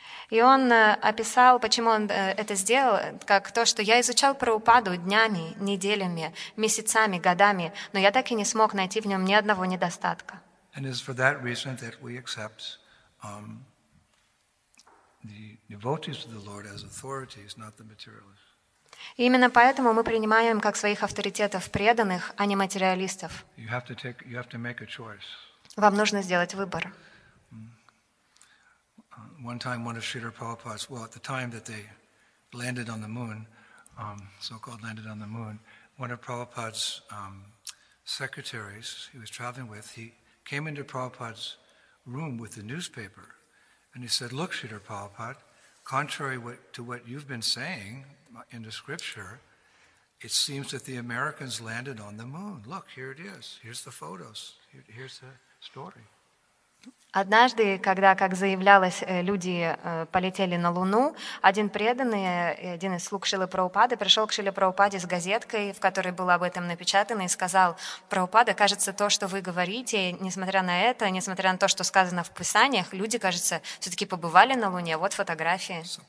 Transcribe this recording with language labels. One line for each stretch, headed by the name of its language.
Russian: И он описал, почему он это сделал, как то, что я изучал Прабхупаду днями, неделями, месяцами, годами, но я так и не смог найти в нем ни одного недостатка.
English: And it's for that reason that we accept the devotees of the Lord as authorities, not the materialists.
Russian: И именно поэтому мы принимаем как своих авторитетов преданных, а не материалистов.
English: You have to make a choice.
Russian: Вам нужно сделать выбор.
English: One time, one of Srila Prabhupada's, well, at the time that they landed on the moon, so-called landed on the moon, one of Prabhupada's secretaries he was traveling with, he came into Prabhupada's room with the newspaper, and he said, "Look, Srila Prabhupada, contrary to what you've been saying in the scripture, it seems that the Americans landed on the moon. Look, here it is. Here's the photos. Here's the story."
Russian: Однажды, когда, как заявлялось, люди полетели на Луну, один преданный, один из слуг Шрилы Прабхупады, пришел к Шриле Прабхупаде с газеткой, в которой было об этом напечатано, и сказал: «Прабхупада, кажется, то, что вы говорите, несмотря на это, несмотря на то, что сказано в писаниях, люди, кажется, все-таки побывали на Луне. Вот фотографии».